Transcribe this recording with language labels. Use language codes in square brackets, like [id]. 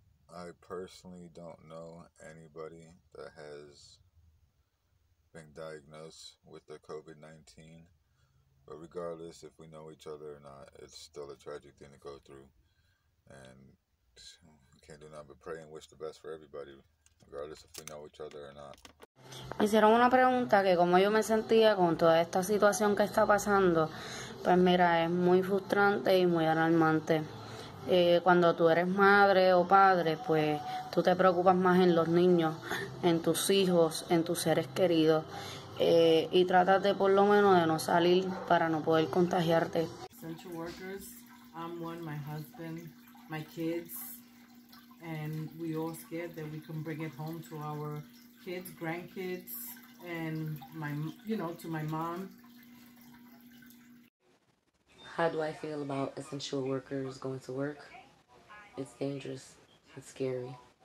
[en] I personally don't know anybody that has been diagnosed with the COVID-19, but regardless if we know each other or not, it's still a tragic thing to go through, and can't do nothing but pray and wish the best for everybody. [es] Me hicieron una pregunta que cómo yo me sentía con toda esta situación que está pasando. Pues mira, es muy frustrante y muy alarmante. Cuando tú eres madre o padre, pues tú te preocupas más en los niños, en tus hijos, en tus seres queridos. Y tratas de por lo menos de no salir para no poder contagiarte. [en] Essential workers, I'm one, my husband, my kids. And we all scared that we can bring it home to our kids, grandkids, and to my mom. How do I feel about essential workers going to work? It's dangerous, it's scary.